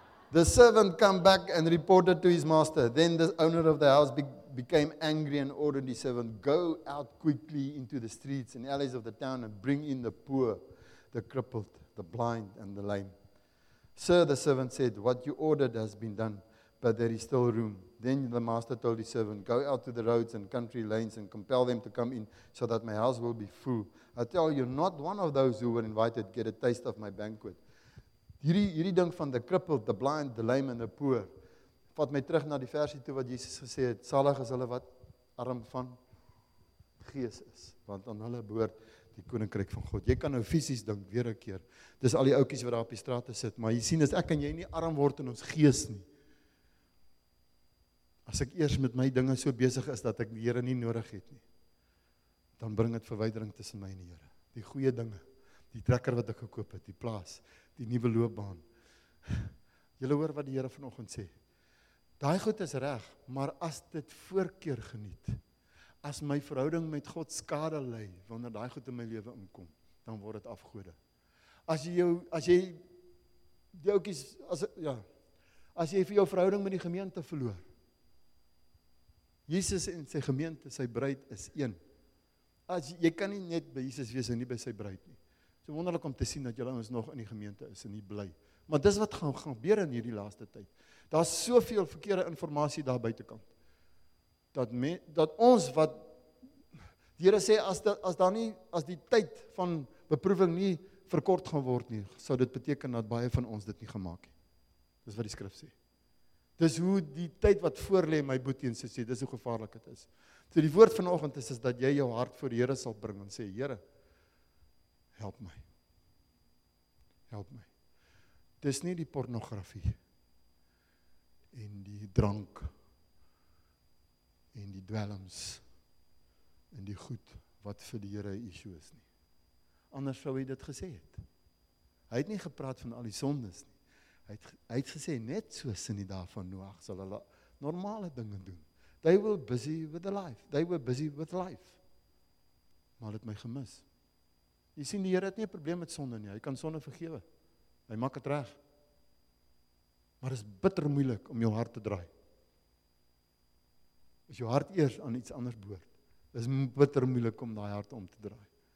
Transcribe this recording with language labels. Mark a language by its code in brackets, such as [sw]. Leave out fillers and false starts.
[en] The servant came back and reported to his master. Then the owner of the house became angry and ordered his servant, 'Go out quickly into the streets and alleys of the town and bring in the poor, the crippled, the blind and the lame.' 'Sir,' the servant said, 'what you ordered has been done, but there is still room.' Then the master told his servant, 'Go out to the roads and country lanes and compel them to come in so that my house will be full. I tell you, not one of those who were invited get a taste of my banquet.'" [af] Hierdie ding van [en] the crippled, the blind, the lame and the poor, [af] vat my terug na die versie toe wat Jesus gesê het, salig is hulle wat arm van gees is, want aan hulle behoort die koninkryk van God. Jy kan nou fisies dink, weer 'n keer, dis al die oudkies wat daar op die strate sit, maar jy sien, as ek en jy nie arm word in ons gees nie, as ek eers met my dinge so besig is, dat ek die Here nie nodig het nie, dan bring het verwydering tussen my en die Here. Die goeie dinge, die trekker wat ek gekoop het, die plaas, die nuwe loopbaan. Julle hoor wat die Here vanoggend sê. Daai goed is reg, maar as dit voorkeur geniet, as my verhouding met God skade ly wanneer daai goed in my lewe inkom, dan word dit afgode. As jy vir jou verhouding met die gemeente verloor. Jesus en sy gemeente, sy bruid is een. As jy kan nie net by Jesus wees en nie by sy bruid nie. Dit is wonderlik om te sien dat julle ons nog in die gemeente is en nie bly. Maar dis wat gaan gebeur in hierdie laaste tyd. Daar is soveel verkeerde informatie daar buitenkant. Dat ons wat, die Here sê, as die tyd van beproeving nie verkort gaan word nie, sou dit beteken dat baie van ons dit nie gemaak het. Dis wat die skrif sê. Dis hoe die tyd wat voorlê, my boetie en sy sê, dis hoe gevaarlik het is. So die woord vanoggend is dat jy jou hart voor die Here sal bring en sê, Here, help my. Help my. Dis nie die pornografie en die drank en die dwelms en die goed wat vir die Here 'n issue is nie. Anders sou hy dit gesê het. Hy het nie gepraat van al die sondes nie. Hy het gesê net soos in die dae van Noag sal hulle normale dinge doen. [en] They were busy with the life. They were busy with life. [af] Maar het my gemis. Jy sien, die Here het nie 'n probleem met sonde nie. Hy kan sonde vergewe. Hy maak het reg. Maar het is bitter moeilik om jou hart te draai. As jou hart eers aan iets anders behoort, is bitter moeilik om die hart om te draai.